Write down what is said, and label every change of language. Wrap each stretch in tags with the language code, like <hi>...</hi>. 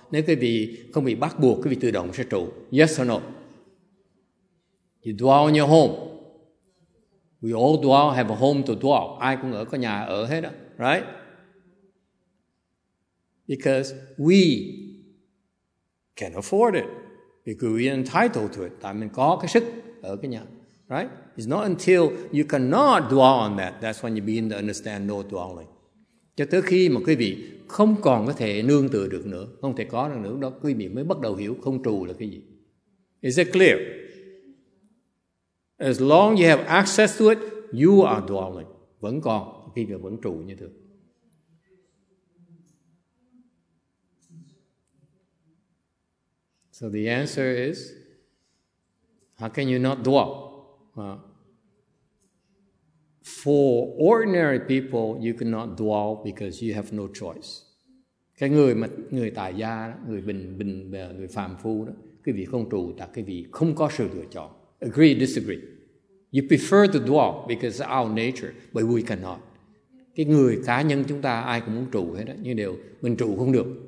<vi>Nếu quý vị không bị bắt buộc, quý vị tự động sẽ trụ.</vi> <en>Yes or no? You dwell in your home. We all dwell, have a home to dwell.</en> <vi>Ai cũng ở có nhà ở hết,</vi> <en>right? Because we can afford it. Because we are entitled to it.</en> <vi>Tại mình có cái sức ở cái nhà.</vi> <en>Right? It's not until you cannot dwell on that. That's when you begin to understand no dwelling.</en> <vi>Cho tới khi mà quý vị không còn có thể nương tựa được nữa, không thể có được nữa, đó quý vị mới bắt đầu hiểu không trụ là cái gì.</vi> <en>Is it clear? As long you have access to it, you are dwelling.</en> <vi>Vẫn còn, quý vị vẫn trụ như thường.</vi> <en>So the answer is, how can you not dwell? For ordinary people, you cannot dwell because you have no choice.</en> <vi>Cái người mà người tại gia, người bình người phàm phu đó, cái vị không trụ, tại cái vị không có sự lựa chọn.</vi> <en>Agree, disagree. You prefer to dwell because it's our nature, but we cannot.</en> <vi>Cái người cá nhân chúng ta ai cũng muốn trụ hết đó, nhưng đều mình trụ không được.</vi>